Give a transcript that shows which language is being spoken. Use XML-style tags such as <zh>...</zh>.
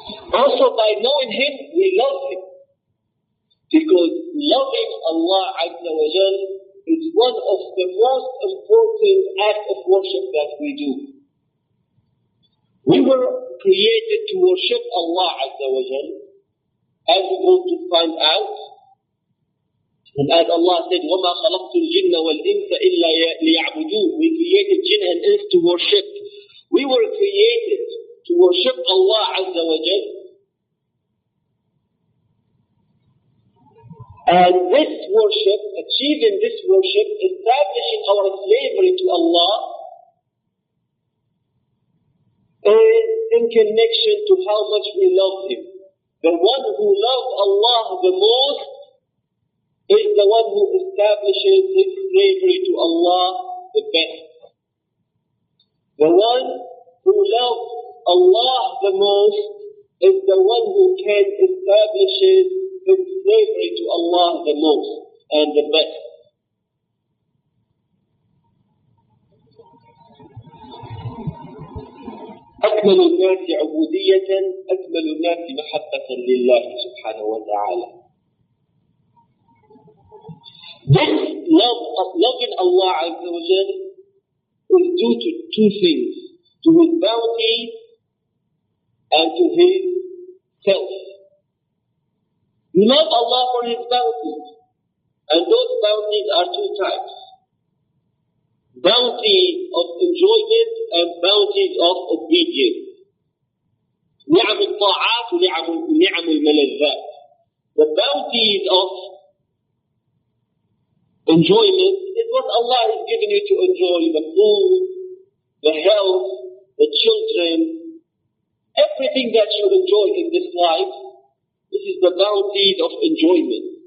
<en>Also, by knowing Him, we love Him, because loving Allah Azza wa Jal, it's one of the most important acts of worship that we do. We were created to worship Allah Azza wa Jal, as we're going to find out. And as Allah said,</en> <ar>وَمَا خَلَقْتُ الْجِنَّ وَالْإِنْسَ إِلَّا لِيَعْبُدُونَ.</ar> <en>We created jinn and ins to worship. We were created to worship Allah Azza wa Jal. And this worship, achieving this worship, establishing our slavery to Allah, is in connection to how much we love Him. The one who loves Allah the most is the one who establishes his slavery to Allah the best. The one who loves Allah the most is the one who can establish his slavery to Allah the most and the best.</en> <ar>أكمل الناس عبودية أكمل الناس محبة لله سبحانه وتعالى.</ar> <en>This love of loving Allah عز وجل is due to two things, to His bounty and to His self. You love Allah for His bounty, and those bounties are two types. Bounty of enjoyment and bounties of obedience.</en> <ar>نعم الطاعات ونعم الملذات.</ar> <en>The bounties of enjoyment is what Allah has given you to enjoy. The food, the health, the children, everything that you enjoy in this life, this is the bounties of enjoyment.</en>